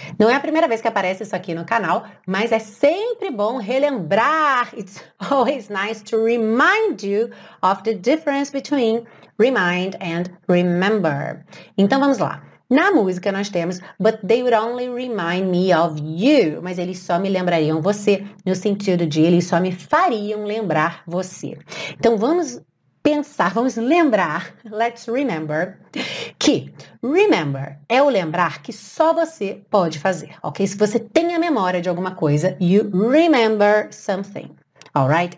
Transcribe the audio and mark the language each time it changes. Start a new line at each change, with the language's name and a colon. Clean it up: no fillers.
Portuguese: Não é a primeira vez que aparece isso aqui no canal, mas é sempre bom relembrar.
English: It's always nice to remind you of the difference between remind and remember.
Portuguese: Então, vamos lá. Na música, nós temos
English: but they would only remind me of you.
Portuguese: Mas eles só me lembrariam você, no sentido de eles só me fariam lembrar você. Então, vamos pensar, vamos lembrar,
English: let's remember,
Portuguese: que remember é o lembrar que só você pode fazer, ok? Se você tem a memória de alguma coisa,
English: you remember something, Alright?